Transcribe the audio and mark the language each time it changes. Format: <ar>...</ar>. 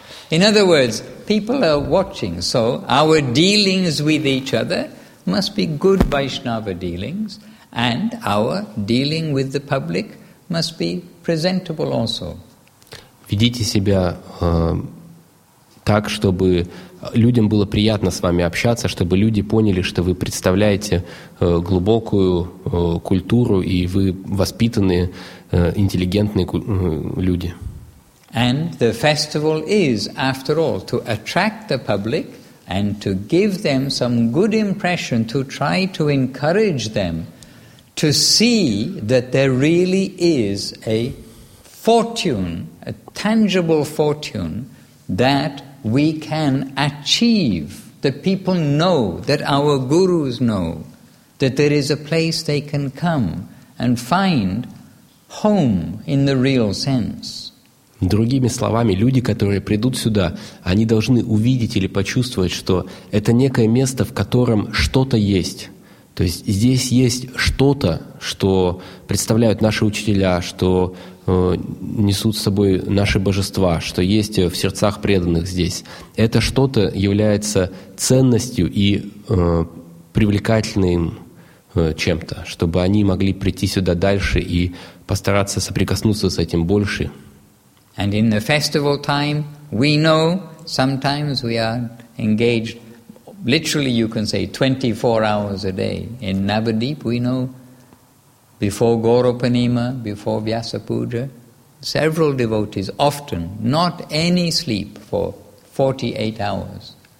<en>In other words, people are watching, so our dealings with each other must be good Vaishnava dealings, and our dealing with the public must be presentable also.</en> <ru>Ведите себя так, чтобы людям было приятно с вами общаться, чтобы люди поняли, что вы представляете глубокую культуру, и вы воспитанные, интеллигентные люди.</ru> <en>And the festival is, after all, to attract the public and to give them some good impression, to try to encourage them to see that there really is a fortune, a tangible fortune that we can achieve, that people know, that our gurus know, that there is a place they can come and find home in the real sense.</en> <ru>Другими словами, люди, которые придут сюда, они должны увидеть или почувствовать, что это некое место, в котором что-то есть. То есть здесь есть что-то, что представляют наши учителя, что несут с собой наши божества, что есть в сердцах преданных здесь. Это что-то является ценностью и привлекательным чем-то, чтобы они могли прийти сюда дальше и постараться соприкоснуться с этим больше.</ru> <en>And in the festival time, we know sometimes we are engaged, literally you can say 24 hours a day. In Navadvip, we know before Gauropanima, before Vyasa Puja, several devotees often not any sleep for 48 hours.</en>